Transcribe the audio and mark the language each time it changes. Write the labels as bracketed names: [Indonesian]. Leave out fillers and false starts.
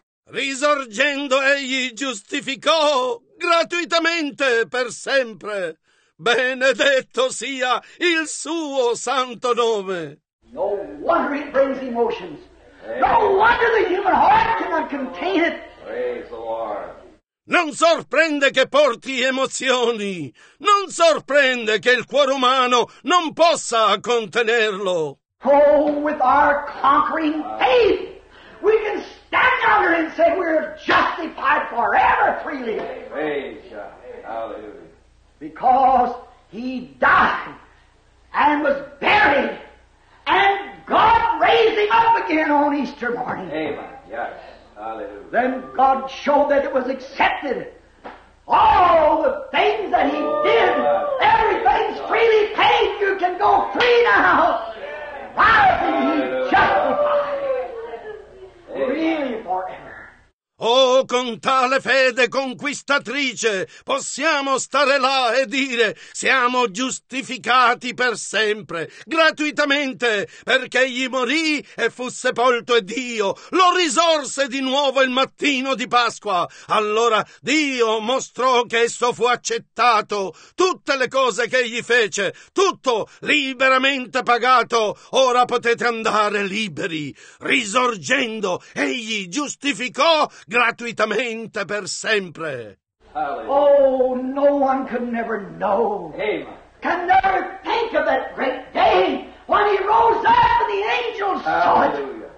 [Italian] Risorgendo, egli giustificò gratuitamente per sempre. Benedetto sia il suo santo nome. [English] No wonder it brings emotions. Amen. No wonder the human heart cannot contain it. Praise the Lord. [Italian] Non sorprende che porti emozioni. Non sorprende che il cuore umano non possa contenerlo. [English] Oh, with our conquering faith, we can stand under and say we're justified forever freely. Praise God. Hallelujah. Because he died and was buried and God raised him up again on Easter morning. Amen. Yes. Hallelujah. Then God showed that it was accepted. All the things that he did, everything's freely paid. You can go free now. Why can he justify freely forever? [Italian] Oh, con tale fede conquistatrice possiamo stare là e dire siamo giustificati per sempre, gratuitamente, perché egli morì e fu sepolto e Dio lo risorse di nuovo il mattino di Pasqua. Allora Dio mostrò che esso fu accettato, tutte le cose che egli fece, tutto liberamente pagato, ora potete andare liberi. Risorgendo, egli giustificò gratuitamente per sempre. [English] Oh, no one could never know. Amen. Can never think of that great day when he rose up and the angels saw it.